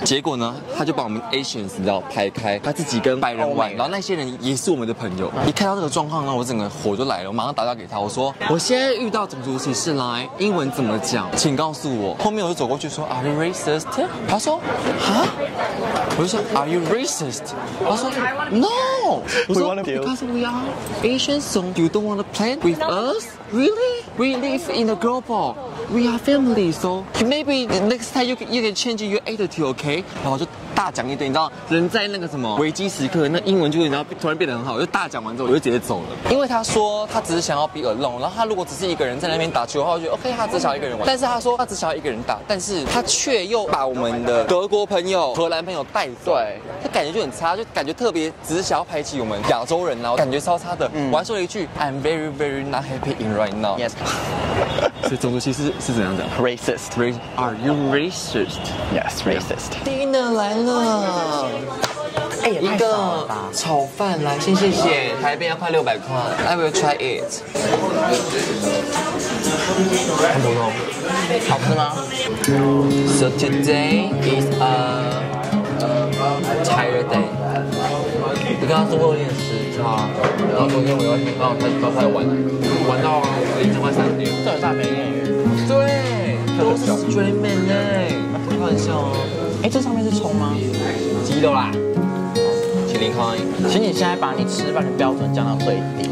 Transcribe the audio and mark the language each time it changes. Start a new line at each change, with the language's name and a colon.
Chinese: 结果呢，她就把我们 Asians 你知道排开，她自己跟白人玩。然后那些人也是我们的朋友。一看到这个状况呢，我整个火就来了，我马上打电话给她，我说：“我现在遇到种族歧视来，英文怎么讲？请告诉我。” 后面我就走过去说 ：
English: “Are you racist？”
Chinese: 她说：“啊？” 我就说 ：
English: “Are you racist？”
Chinese: 她说 ：“No。” 我说
English: ：“Because we are Asians, so you don't want to play with us, really? We live in a global.” We are family, so maybe next time you can change your attitude, okay?
Chinese: 然后我就大讲一堆，你知道，人在那个什么危机时刻，那英文就你知道突然变得很好，我就大讲完之后我就直接走了。因为他说他只是想要 be alone， 然后他如果只是一个人在那边打球的话，我觉得 OK， 他只想要一个人玩。但是他说他只想要一个人打，但是他却又把我们的德国朋友、荷兰朋友带走，对，他感觉就很差，就感觉特别只是想要排挤我们亚洲人啊，感觉超差的。嗯、我还说了一句
English: I'm very very not happy in right now. Yes.
Chinese: 所以种族歧视是怎样的
English: ？Racist. Are you racist? Yes, racist.
Chinese: Dinner 来了，哎，一个炒饭来，先谢谢。台币要快600块。
English: I will try it.
Chinese: 很普通，好吃吗
English: ？So today is a tired day.
Chinese: 你刚刚中午练习是吗？然后昨天我又听到他说他要玩到凌晨快三点。这是大美女。对，都是
English: straight man
Chinese: 哎，开玩笑哦。哎，这上面是葱吗？鸡肉啦。请您开。请你现在把你吃饭的标准降到最低。